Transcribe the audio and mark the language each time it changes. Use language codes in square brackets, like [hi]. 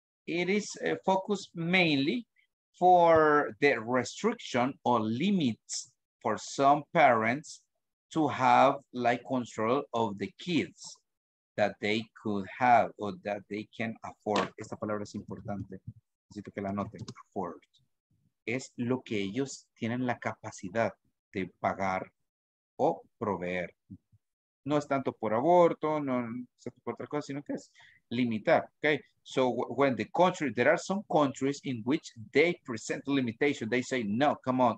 [en] It is focused mainly for the restriction or limits for some parents to have like control of the kids that they could have or that they can afford. [es] Esta palabra es importante. Necesito que la anoten. Afford. Es lo que ellos tienen la capacidad de pagar o proveer. No es tanto por aborto, no es tanto por otra cosa, sino que es limitar. [en] Okay. So when the country, there are some countries in which they present limitation, they say, no, come on.